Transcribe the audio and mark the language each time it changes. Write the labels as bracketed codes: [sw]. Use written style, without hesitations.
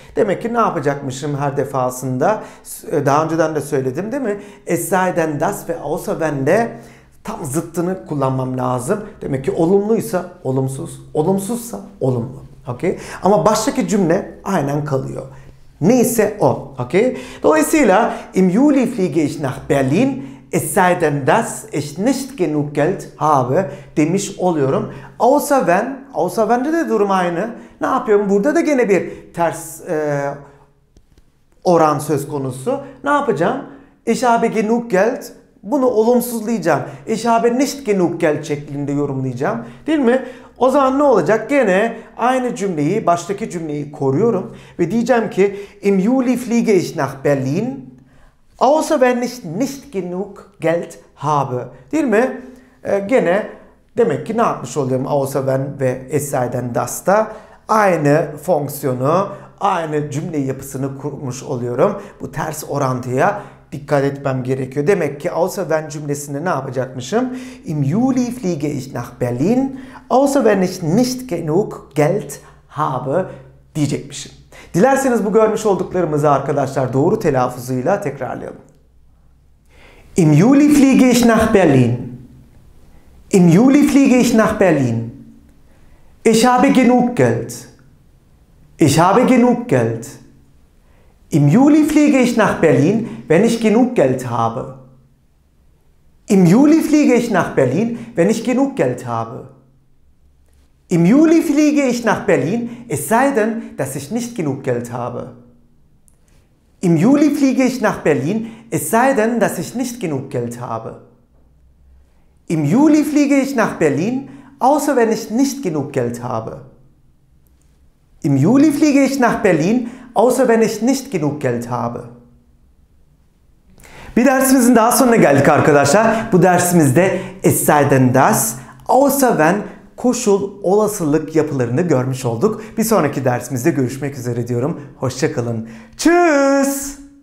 [tr] Demek ki ne yapacakmışım her defasında? Daha önceden de söyledim değil mi? Es sei denn das ve außer wenn de tam zıttını kullanmam lazım. Demek ki olumluysa olumsuz, olumsuzsa olumlu. Okay. Ama baştaki cümle aynen kalıyor. Neyse o. Okay. [de] Dolayısıyla im Juli fliege ich nach Berlin, es sei denn das ich nicht genug Geld habe [tr] demiş oluyorum. Außer wenn'de de durum aynı. Ne yapıyorum? Burada da gene bir ters oran söz konusu. Ne yapacağım? [de] Ich habe genug Geld. [tr] Bunu olumsuzlayacağım. [de] Ich habe nicht genug Geld [tr] şeklinde yorumlayacağım. Değil mi? O zaman ne olacak? Gene aynı cümleyi, baştaki cümleyi koruyorum. Ve diyeceğim ki [de] im Juli fliege ich nach Berlin, außer wenn ich nicht genug Geld habe. [tr] Değil mi? Gene demek ki ne yapmış oluyorum? Außer wenn ve es sei denn das da aynı fonksiyonu, aynı cümle yapısını kurmuş oluyorum. Bu ters orantıya dikkat etmem gerekiyor. Demek ki außer wenn cümlesinde ne yapacakmışım? [de] Im Juli fliege ich nach Berlin, außer wenn ich nicht genug Geld habe diyecekmişim. [tr] Dilerseniz bu görmüş olduklarımızı arkadaşlar doğru telaffuzuyla tekrarlayalım. [de] Im Juli fliege ich nach Berlin. Im Juli fliege ich nach Berlin. Ich habe genug Geld. Ich habe genug Geld. Im Juli fliege ich nach Berlin, wenn ich genug Geld habe. Im Juli fliege ich nach Berlin, wenn ich genug Geld habe. Im Juli fliege ich nach Berlin, es sei denn, dass ich nicht genug Geld habe. Im Juli fliege ich nach Berlin, es sei denn, dass ich nicht genug Geld habe. Im Juli fliege ich nach Berlin, außer wenn ich nicht genug Geld habe. Im Juli fliege ich nach Berlin, außer wenn ich nicht genug Geld habe. [tr] Bir dersimizin daha sonuna geldik arkadaşlar. Bu dersimizde es sei denn das, außer wenn koşul olasılık yapılarını görmüş olduk. Bir sonraki dersimizde görüşmek üzere diyorum. Hoşça kalın. Tschüss.